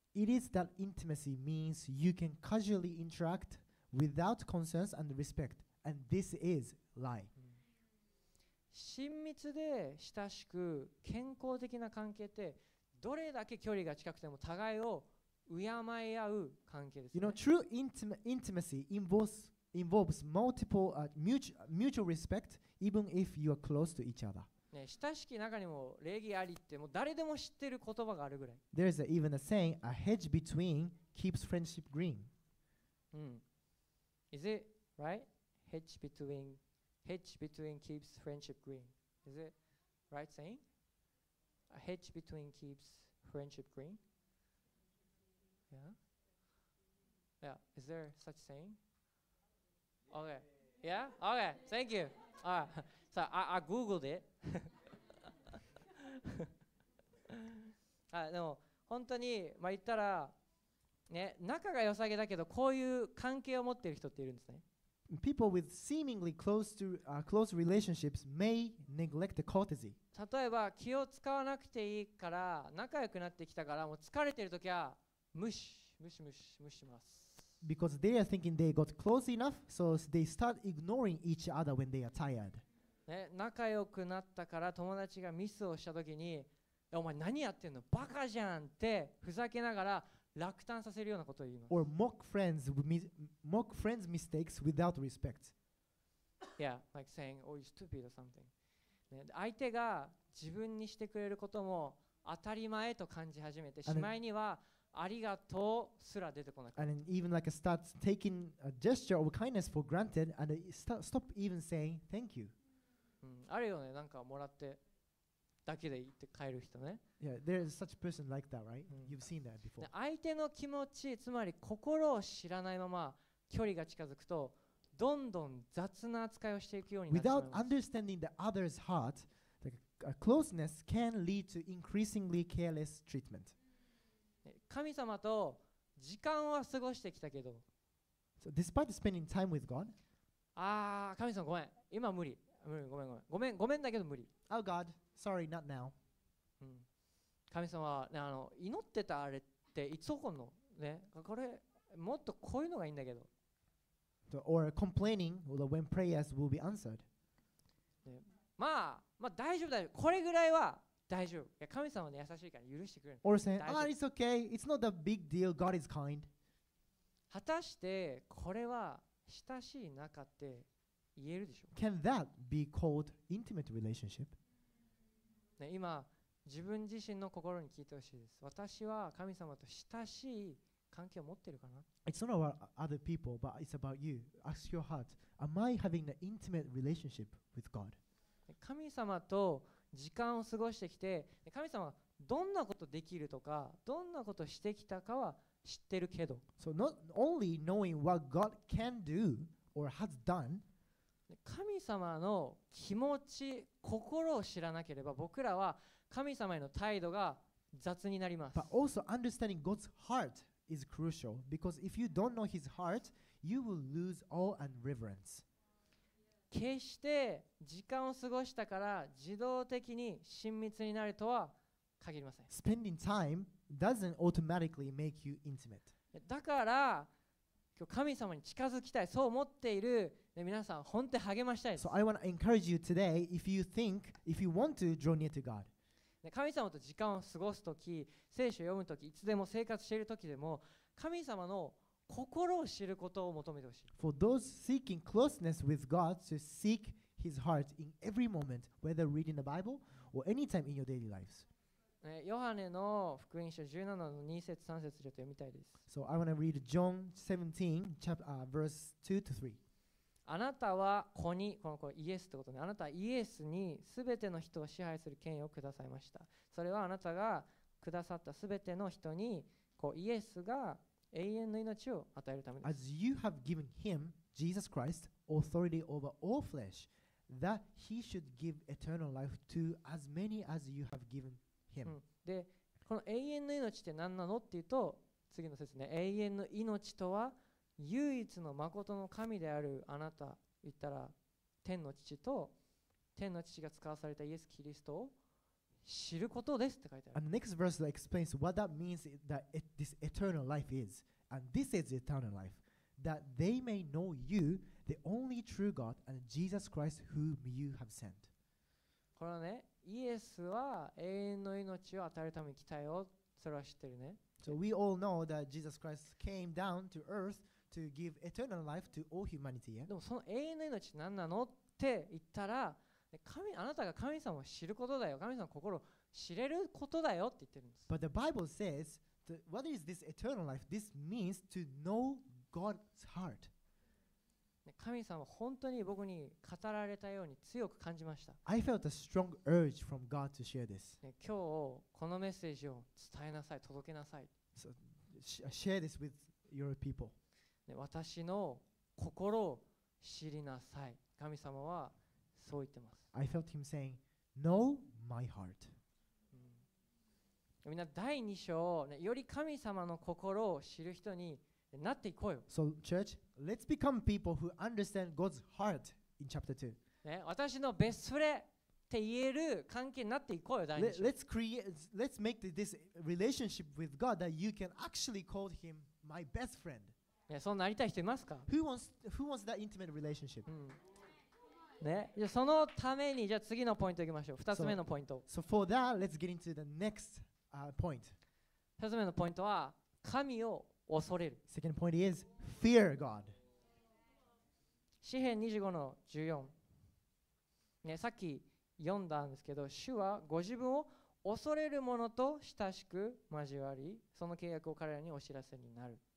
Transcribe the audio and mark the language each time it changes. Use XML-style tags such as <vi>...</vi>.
<en>It is that intimacy means you can casually interact. Without concerns and respect, and this is lie.</en> <ja>親密で親しく健康的な関係ってどれだけ距離が近くても互いを敬い合う関係ですね。</ja> <en>You know, true intimacy involves multiple mutual respect, even if you are close to each other.</en> <ja>ね、親しき中にも礼儀ありってもう誰でも知ってる言葉があるぐらい。</ja> <en>There is even a saying, a hedge between keeps friendship green. Is it right? Hedge between keeps friendship green. Is it right saying? A hedge between keeps friendship green. Yeah. Yeah. Is there such saying? Okay. Yeah. Okay. Thank you. All right. So I googled it.</en> <ja>でも本当にまあ言ったら。ね、仲が良さげだけどこういう関係を持っている人っているんですね。</ja> <en>People with seemingly close relationships may neglect the courtesy.</en> <ja>例えば気を使わなくていいから仲良くなってきたからもう疲れてるときは無視無視無視無視します。</ja> <en>Because they are thinking they got close enough, so they start ignoring each other when they are tired.</en> <ja>ね、仲良くなったから友達がミスをしたときにお前何やってんのバカじゃんってふざけながら。落胆させるようなことを言います。</ja> <en>Or mock friends' mistakes without respect. Yeah, like saying, "Oh, you're stupid" or something.、</en> <ja>ね、相手が自分にしてくれることも当たり前と感じ始めて、しまいにはありがとうすら出てこなくなる。</ja> <en>And even like start taking a gesture of kindness for granted and stop even saying thank you.、</en> <ja>うん、あるよね、なんかもらって。だけで言って帰る人ね。</ja> <en>Yeah, there is such a person like that, right?、うん、You've seen that before.</en> <ja>相手の気持ち、つまり心を知らないまま距離が近づくと、どんどん雑な扱いをしていくようになる。</ja> <en>Without understanding the other's heart, the closeness can lead to increasingly careless treatment.</en> <ja>神様と時間は過ごしてきたけど、</ja> <en>So despite spending time with God,</en> <ja>ああ、神様ごめん、今無理。無理、ごめんごめん。ごめん、ごめんだけど無理。</ja> <en>Oh God. Sorry, not now.、うん、</en> <ja>神様は、ね、あの祈ってたあれっていつ起こるの、ね、これもっとこういうのがいいんだけど。</ja> <en>Or complaining when prayers will be answered.、</en> <ja>ね、まあ、まあ大丈夫だよ。これぐらいは大丈夫。いや神様は、ね、優しいから許してくれる。</ja> <en>Or saying, ah, it's okay. It's not a big deal. God is kind.</en> <ja>果たしてこれは親しい仲って言えるでしょ。</ja> <en>Can that be called intimate relationship?</en> <ja>ね、今自分自身の心に聞いてほしいです。私は神様と親しい関係を持ってるかな。</ja> <en>It's not about other people, but it's about you. Ask your heart. Am I having an intimate relationship with God?</en> <ja>神様と時間を過ごしてきて、神様どんなことできるとか、どんなことしてきたかは知ってるけど。</ja> <en>So not only knowing what God can do or has done。</en> <ja>神様の気持ち、心を知らなければ、僕らは神様への態度が雑になります。</ja> <en>But also understanding God's heart is crucial because if you don't know His heart, you will lose awe and reverence.</en> <ja>決して時間を過ごしたから自動的に親密になるとは限りません。</ja> <en>Spending time doesn't automatically make you intimate.</en> <ja>だから今日神様に近づきたい、そう思っている、ね、皆さん本当に励ましたいです。</ja> <en>So I want to encourage you today if you think, if you want to draw near to God.</en> <ja>神様と時間を過ごすとき、聖書を読むとき、いつでも生活しているときでも神様の心を知ることを求めてほしい。</ja> <en>For those seeking closeness with God to seek His heart in every moment, whether reading the Bible or anytime in your daily lives.</en> <ja>ヨハネの福音書17の2節3節で読みたいです。</ja> <en>So I want to read John 17, verse 2 to 3.</en> <ja>あなたは子に、この子イエスってことね。あなたはイエスにすべての人を支配する権威をくださいました。それはあなたがくださったすべての人にこうイエスが永遠の命を与えるためです。</ja> <en>As you have given him, Jesus Christ, authority over all flesh, that he should give eternal life to as many as you have given him.、</en> <ja>うん、で、この永遠の命って何なのっていうと、次の説ね、永遠の命とは唯一の誠の神であるあなた、言ったら天の父と天の父が使わされたイエス・キリストを知ることですって書いてある。</ja> <en>And the next verse explains what that means, that this eternal life is. And this is eternal life. That they may know you, the only true God, and Jesus Christ whom you have sent.</en> <ja>これはね、イエスは永遠の命を与えるために来たよ。それは知ってるね。</ja> <en>So we all know that Jesus Christ came down to earth to give eternal life to all humanity.</en> <ja>でもその永遠の命何なのって言ったら、神、あなたが神様を知ることだよ、神様の心を知れることだよって言ってるんです。</ja> <en>But the Bible says what is this eternal life? This means to know God's heart.</en> <ja>神様は本当に僕に語られたように強く感じました。</ja> <en>I felt a strong urge from God to share this.</en> <ja>今日このメッセージを伝えなさい、届けなさい。</ja> <en>So share this with your people.</en> <ja>私の心を知りなさい。神様はそう言ってます。</ja> <en>I felt him saying, "Know my heart."</en> <ja>みんな第二章、ね、より神様の心を知る人になっていこうよ。</ja> <en>So church, let's become people who understand God's heart in chapter 2.、</en> <ja>ね、私のベストフレって言える関係になっていこうよ、第二章。</ja> <en>Let's make this relationship with God that you can actually call him my best friend.、</en> <ja>ね、そうなりたい人いますか？</ja> <en>Who wants that intimate relationship?、</en> <ja>うんね、じゃそのためにじゃ次のポイントいきましょう。二つ目のポイント。</ja> <en>So for that, let's get into the next point.</en> <ja>二つ目のポイントは神を恐れる。</ja> <en>Second point is fear God.</en> <ja>詩篇25の14。ね、さっき読んだんですけど、主はご自分を恐れる者と親しく交わり、その契約を彼らにお知らせになる。</ja>